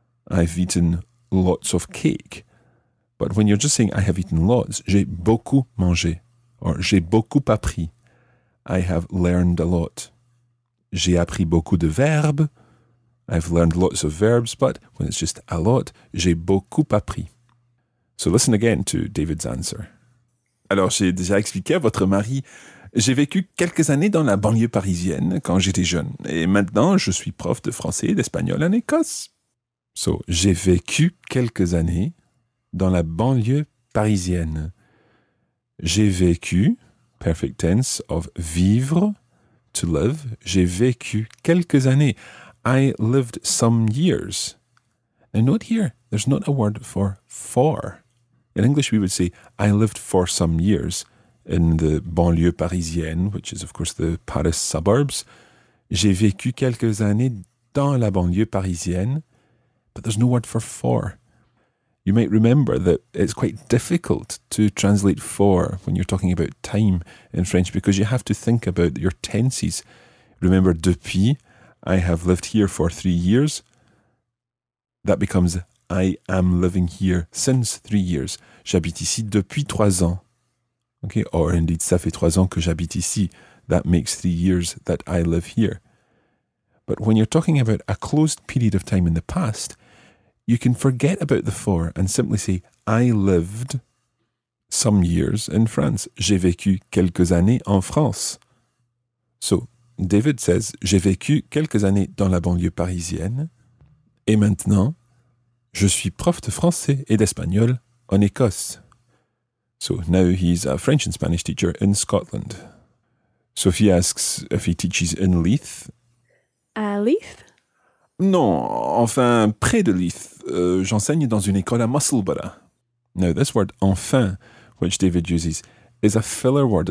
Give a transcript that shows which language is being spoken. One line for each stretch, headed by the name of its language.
English: I've eaten lots of cake. But when you're just saying I have eaten lots,
French: j'ai beaucoup mangé.
English: Or
French: j'ai beaucoup appris.
English: I have learned a lot.
French: J'ai appris beaucoup de verbes.
English: I've learned lots of verbs, but when it's just a lot,
French: j'ai beaucoup appris.
English: So listen again to David's answer.
French: Alors, j'ai déjà expliqué à votre mari, j'ai vécu quelques années dans la banlieue parisienne quand j'étais jeune, et maintenant je suis prof de français et d'espagnol en Écosse. So, j'ai vécu quelques années dans la banlieue parisienne. J'ai vécu,
English: perfect tense of
French: vivre,
English: to live,
French: j'ai vécu quelques années.
English: I lived some years. And note here, there's not a word for. In English, we would say, I lived for some years in the banlieue parisienne, which is, of course, the Paris suburbs.
French: J'ai vécu quelques années dans la banlieue parisienne.
English: But there's no word for. You might remember that it's quite difficult to translate for when you're talking about time in French because you have to think about your tenses. Remember, depuis, I have lived here for 3 years. That becomes, I am living here since 3 years.
French: J'habite ici depuis 3 ans. Okay, or indeed, ça fait 3 ans que j'habite ici.
English: That makes 3 years that I live here. But when you're talking about a closed period of time in the past, you can forget about the for and simply say, I lived some years in France.
French: J'ai vécu quelques années en France.
English: So, David says,
French: j'ai vécu quelques années dans la banlieue parisienne. Et maintenant, je suis prof de français et d'espagnol en Écosse.
English: So, now he's a French and Spanish teacher in Scotland. Sophie asks if he teaches in Leith.
French: À Leith? Non, enfin, près de Leith. J'enseigne dans une école à Musselburgh.
English: Now, this word, enfin, which David uses, is a filler word.